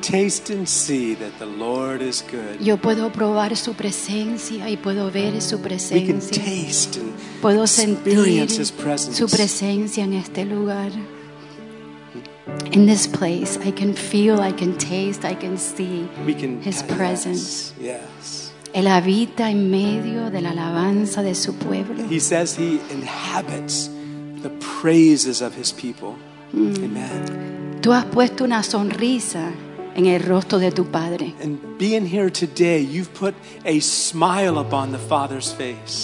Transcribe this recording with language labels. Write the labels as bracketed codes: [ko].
[en] Taste and see that the Lord is good. [es] Yo puedo probar su presencia y puedo ver su presencia. [en] We can taste and [es] puedo [en] experience His presence. [es] Su presencia en este lugar. [en] In this place, I can feel, I can taste, I can see We can, His presence. Yes. [es] Él habita en medio de la alabanza de su pueblo. [en] He says He inhabits the praises of His people. Amen. [es] Tú has puesto una sonrisa en el rostro de tu padre. [en] And being here today, you've put a smile upon the Father's face.